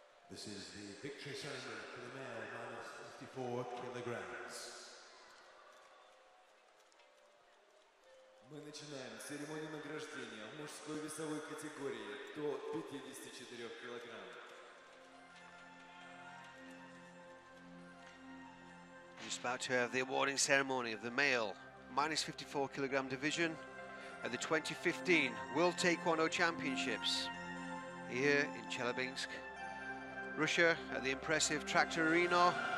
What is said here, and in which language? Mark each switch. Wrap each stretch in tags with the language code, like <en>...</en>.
<en>This is the victory ceremony for the male, minus 54 kilograms.</en> <ru>Мы начинаем церемонию награждения в мужской весовой категории до 54 килограмм.</ru> <en>Just about to have the awarding ceremony of the male, minus 54 kilogram division at the 2015 World Taekwondo Championships here in Chelyabinsk, Russia, at the impressive Tractor Arena.</en>